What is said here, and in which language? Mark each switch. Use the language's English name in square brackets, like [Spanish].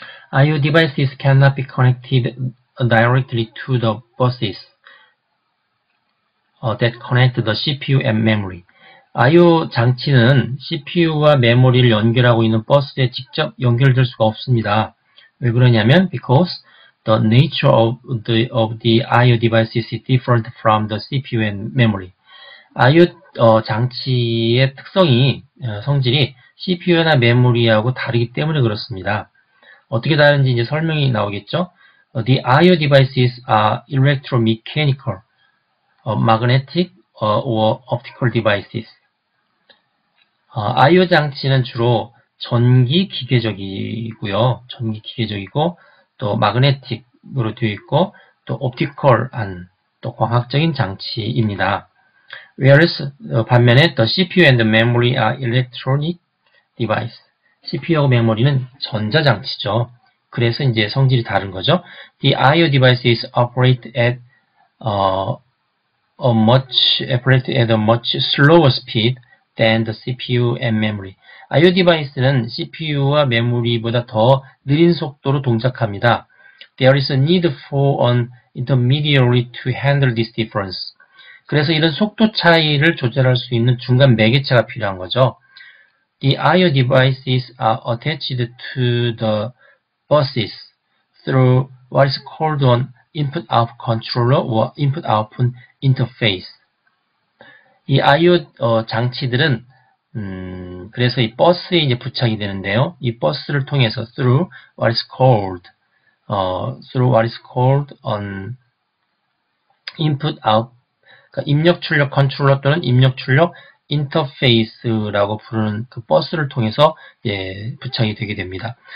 [English] I/O devices cannot be connected directly to the buses that connect the CPU and memory. [Korean] I/O 장치는 CPU와 메모리를 연결하고 있는 버스에 직접 연결될 수가 없습니다. 왜 그러냐면, [English] because the nature of the I/O devices is different from the CPU and memory. [Korean] I/O 장치의 특성이, 성질이 CPU나 메모리하고 다르기 때문에 그렇습니다. 어떻게 다른지 이제 설명이 나오겠죠? [English] The I/O devices are electromechanical, magnetic, or optical devices. [Korean] I/O 장치는 주로 전기 기계적이고요. 전기 기계적이고 또 마그네틱으로 되어 있고 또 옵티컬한 또 광학적인 장치입니다. [English] Whereas [Korean] 반면에 [English] the CPU and the memory are electronic device. [Korean] CPU와 메모리는 전자 장치죠. 그래서 이제 성질이 다른 거죠. [English] The I/O devices operate at a much slower speed than the CPU and memory. [Korean] I/O 디바이스는 CPU와 메모리보다 더 느린 속도로 동작합니다. [English] There is a need for an intermediary to handle this difference. [Korean] 그래서 이런 속도 차이를 조절할 수 있는 중간 매개체가 필요한 거죠. [English] The I/O devices are attached to the buses through what is called an input-output controller or input-output interface. [Korean] 이 I/O 장치들은 그래서 이 버스에 이제 부착이 되는데요. 이 버스를 통해서 [English] through what is called an input-output [Korean] 입력 출력 컨트롤러 또는 입력 출력 인터페이스라고 부르는 그 버스를 통해서 예, 부착이 되게 됩니다.